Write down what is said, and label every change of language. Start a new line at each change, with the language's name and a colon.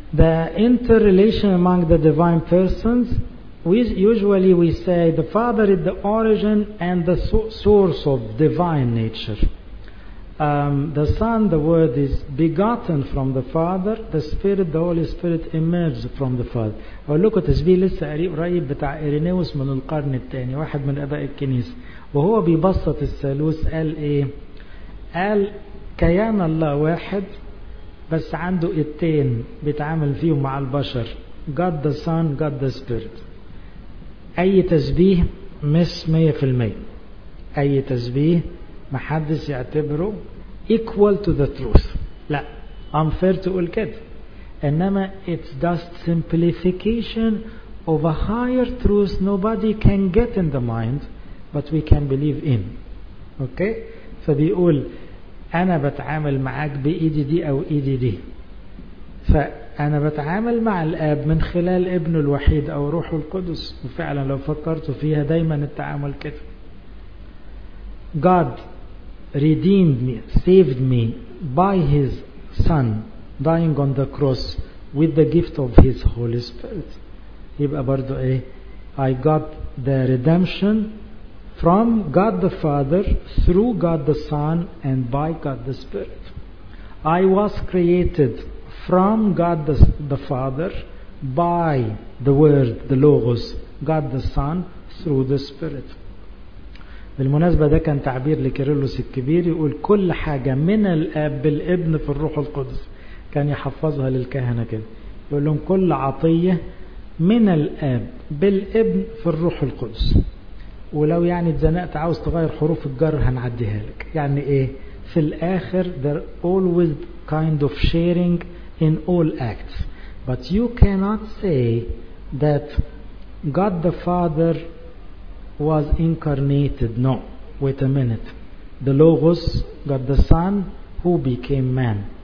English: The interrelation among the divine persons, usually we say the Father is the origin and the source of divine nature. The Son, the Word, is begotten from the Father. The Spirit, the Holy Spirit, emerged from the Father.
Arabic: ولوك تشبيه لسه قريب بتاع إيريناوس من القرن الثاني، واحد من أباء الكنيسة، وهو بيبسط الثالوث. قال إيه؟ قال كيان الله واحد بس عنده اتنين بيتعامل فيهم مع البشر،
English: God the Son, God the Spirit.
Arabic: أي تشبيه مش 100%، أي تشبيه محدش يعتبره
English: equal to the truth.
Arabic: لا، unfair تقول كده. إنما
English: it's just simplification of a higher truth nobody can get in the mind but we can believe in.
Arabic: Okay؟ فبيقول أنا بتعامل معاك بإيدي دي أو إيدي دي. فأنا بتعامل مع الآب من خلال ابنه الوحيد أو روحه القدس، وفعلا لو فكرت فيها دايما التعامل كده.
English: God redeemed me, saved me by his son dying on the cross with the gift of his Holy Spirit.
Arabic: يبقى برضو ايه؟
English: I got the redemption from God the Father through God the Son and by God the Spirit. I was created from God the Father by the Word, the Logos, God the Son through the Spirit.
Arabic: بالمناسبة ده كان تعبير لكيرلس الكبير، يقول كل حاجة من الأب بالابن في الروح القدس، كان يحفظها للكهنة كده، يقول لهم كل عطية من الأب بالابن في الروح القدس. ولو يعني اتزنقت عاوز تغير حروف الجر هنعديها لك. يعني ايه؟ في الآخر
English: there always kind of sharing in all acts but you cannot say that God the Father was incarnated. No, wait a minute. The Logos got the Son who became man.